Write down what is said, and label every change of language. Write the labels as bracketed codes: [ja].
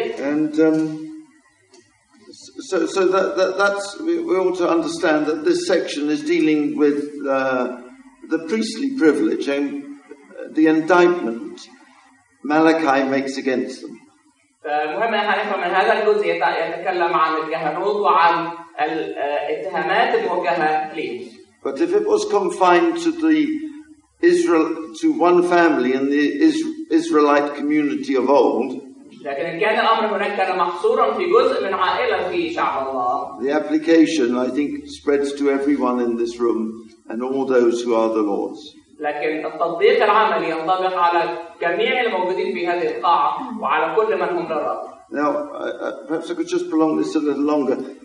[en] And so that's we ought to understand that this section is dealing with the priestly privilege and the indictment Malachi makes against them. [ar] فمهم احنا نفهم من هذا الجزء يتكلم عن الجهنوت وعن الاتهامات الموجهه ليه. [en] But if it was confined to the Israel to one family in the Israelite community of old, [ar] لكن كان الامر هناك كان محصورا في جزء من عائله في شعب الله. [en] The application I think spreads to everyone in this room and all those who are the Lord's. [ar] لكن التطبيق العملي ينطبق على جميع الموجودين في هذه القاعة وعلى كل من هم للرب. [en] Now, perhaps I could just prolong this a little longer.